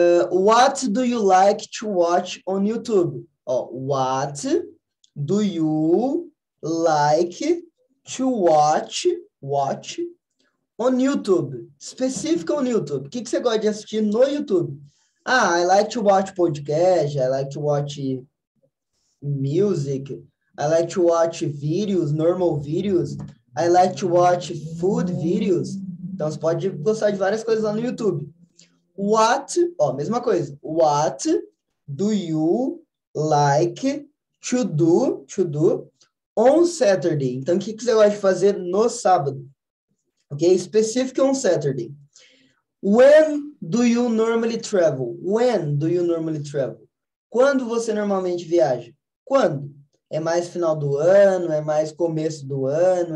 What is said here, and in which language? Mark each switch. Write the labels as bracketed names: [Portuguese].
[English] What do you like to watch on YouTube? What do you like to watch on YouTube? Specific on YouTube. [Portuguese] O que você gosta de assistir no YouTube? [English] I like to watch podcast. I like to watch music. I like to watch videos, normal videos. I like to watch food videos. [Portuguese] Então, você pode gostar de várias coisas lá no YouTube. Mesma coisa. [English] What do you like to do on Saturday? [Portuguese] Então, o que você gosta de fazer no sábado? [English] Ok? Específico on Saturday. When do you normally travel? When do you normally travel? [Portuguese] Quando você normalmente viaja? Quando? É mais final do ano? É mais começo do ano?